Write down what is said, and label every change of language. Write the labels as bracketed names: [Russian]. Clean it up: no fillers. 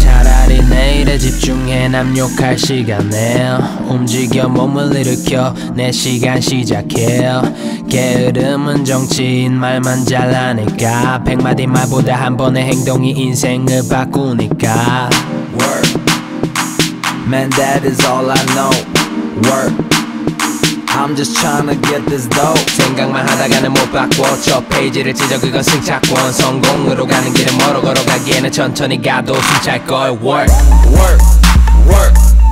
[Korean] 차라리 내일에 집중해 남욕할 시간에. 움직여 몸을 일으켜 내 시간 시작해. 게으름은 정치인 말만 잘하니까. 100마디 말보다 한 번의 행동이 인생을 바꾸니까. [English] Work, man that is all I know. Work, I'm just tryna get this dope. [Korean] 생각만 하다가는 못 바꿔. 저 페이지를 찢어 그건 승차권. 성공으로 가는 길은 멀어 걸어가기에는 천천히 가도 숨찰걸. [English] Work, work, work, work.